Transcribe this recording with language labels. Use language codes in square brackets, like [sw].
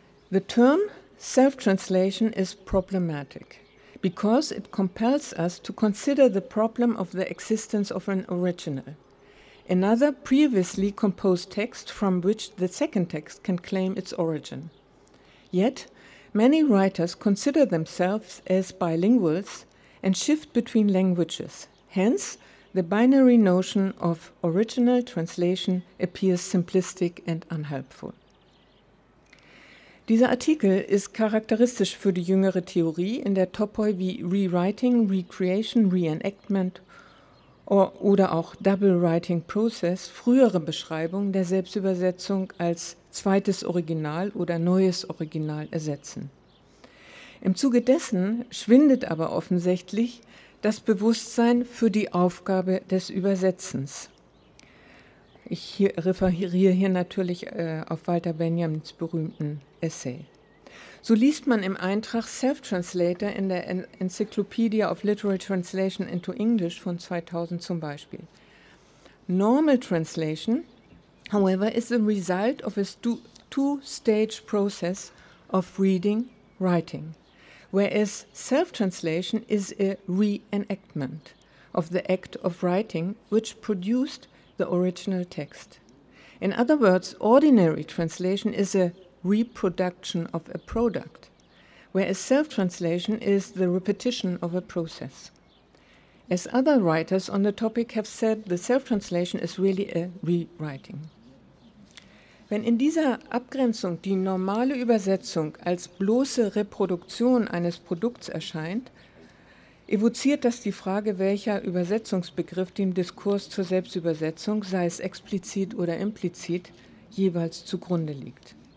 [en] The term self-translation is problematic, because it compels us to consider the problem of the existence of an original, another previously composed text from which the second text can claim its origin. Yet, many writers consider themselves as bilinguals and shift between languages. Hence, the binary notion of original translation appears simplistic and unhelpful. [de] Dieser Artikel ist charakteristisch für die jüngere Theorie, in der Topoi wie Rewriting, Recreation, Reenactment oder auch Double Writing Process frühere Beschreibungen der Selbstübersetzung als zweites Original oder neues Original ersetzen. Im Zuge dessen schwindet aber offensichtlich das Bewusstsein für die Aufgabe des Übersetzens. Ich referiere hier natürlich auf Walter Benjamins berühmten Essay. So liest man im Eintrag Self-Translator in der Encyclopedia of Literal Translation into English von 2000 zum Beispiel. [en] Normal translation, however, is the result of a two-stage process of reading, writing, whereas self-translation is a reenactment of the act of writing, which produced the original text. In other words, ordinary translation is a reproduction of a product, whereas self-translation is the repetition of a process. As other writers on the topic have said, the self-translation is really a rewriting. [de] Wenn in dieser Abgrenzung die normale Übersetzung als bloße Reproduktion eines Produkts erscheint, evoziert das die Frage, welcher Übersetzungsbegriff dem Diskurs zur Selbstübersetzung, sei es explizit oder implizit, jeweils zugrunde liegt.